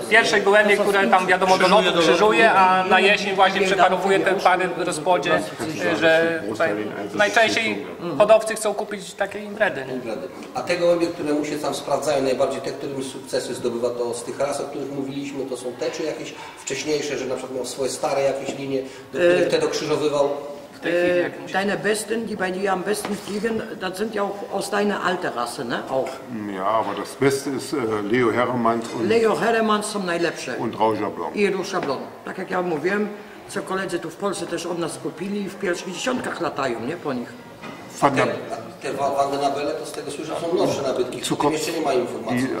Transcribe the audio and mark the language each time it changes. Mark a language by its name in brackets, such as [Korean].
[Polish] Pierwsze gołębie, które tam wiadomo do lotu krzyżuje, a na jesień właśnie przeparowuje te pary w rozpłodzie, że najczęściej hodowcy chcą kupić takie imbredy. A te gołębie, które mu się tam sprawdzają najbardziej, te, którymi sukcesy zdobywa, to z tych ras, o których mówiliśmy, to są te, czy jakieś wcześniejsze, że na przykład miał swoje stare jakieś linie, do których te dokrzyżowywał? [German] Deine besten, die bei dir am besten fliegen, das sind ja auch aus deiner alten Rasse, ne? Auch. Ja, aber das Beste ist Leo Hermans und. Leo Hermans zum [Polish] Najlepsze. [German] Und Roger Blanc. [Polish] I Roger Blanc. Tak jak ja mówiłem, co koledzy tu w Polsce też od nas kupili, w pierwszych dziesiątkach latają, nie? Po nich. Te Van den Abele, to z tego słyszę, są nowsze nabytki. Tylko jeszcze nie ma informacji.